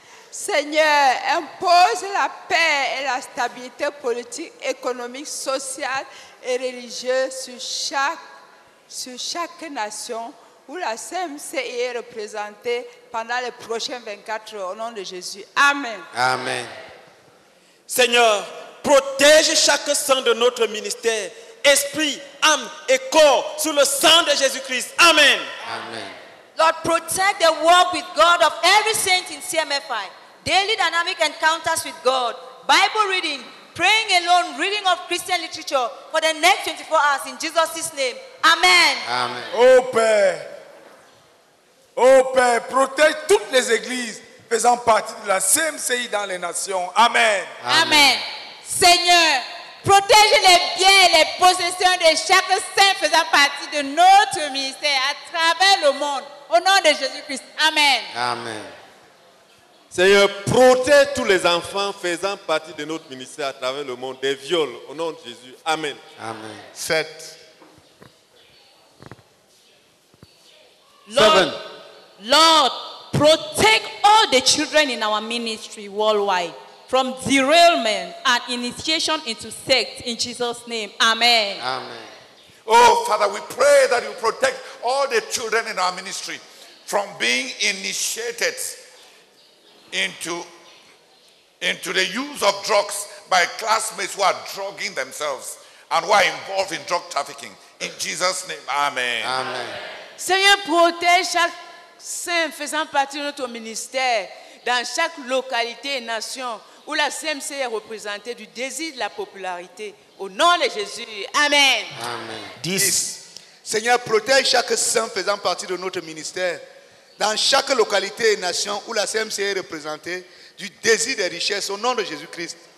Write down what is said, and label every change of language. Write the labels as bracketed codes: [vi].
[fr] Seigneur, impose la paix et la stabilité politique, économique, sociale et religieuse sur chaque nation où la CMC est représentée pendant les prochaines 24 heures. Au nom de Jésus. Amen. Amen. Seigneur, protège chaque sang de notre ministère, esprit, âme et corps sous le sang de Jésus-Christ. Amen. Amen. [en] Lord, protect the work with God of every saint in CMFI. Daily dynamic encounters with God, Bible reading, praying alone, reading of Christian literature for the next 24 hours in Jesus' name. Amen. Amen. [fr] Oh Père, protège toutes les églises faisant partie de la CMCI dans les nations. Amen. Amen. Amen. Seigneur, protège les biens et les possessions de chaque saint faisant partie de notre ministère à travers le monde. Au nom de Jésus-Christ. Amen. Amen. Seigneur, protège tous les enfants faisant partie de notre ministère à travers le monde des viols. Au nom de Jésus. Amen. Amen. [en] 7. Lord, protect all the children in our ministry worldwide from derailment and initiation into sect in Jesus' name. Amen. Amen. Oh, Father, we pray that you protect all the children in our ministry from being initiated into the use of drugs by classmates who are drugging themselves and who are involved in drug trafficking. In Jesus' name, amen. Amen. [fr] Seigneur, protège chaque saint faisant partie de notre ministère dans chaque localité et nation où la CMC est représentée du désir de la popularité. Au nom de Jésus, amen. Amen. 10. Seigneur, protège chaque saint faisant partie de notre ministère dans chaque localité et nation où la CMC est représentée, du désir des richesses, au nom de Jésus-Christ.